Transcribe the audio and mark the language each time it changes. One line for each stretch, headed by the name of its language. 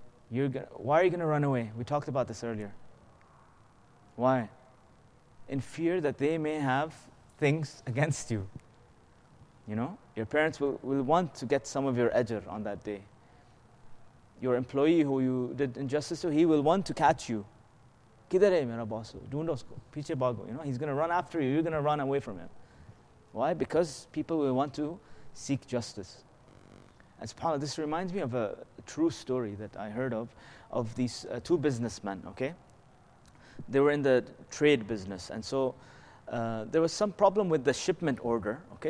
English: Why are you going to run away? We talked about this earlier. Why? In fear that they may have things against you. You know? Your parents will want to get some of your ajr on that day. your employee who you did injustice to, he will want to catch you.
Urdu: کدھر ہے میرا باس؟ ڈھونڈو اسکو۔ پیچھے بھاگو۔
English: You know, he's going to run after you. You're going to run away from him. Why? Because people will want to seek justice. And subhanAllah, this reminds me of a true story that I heard of these two businessmen, okay? They were in the trade business. And so there was some problem with the shipment order, okay?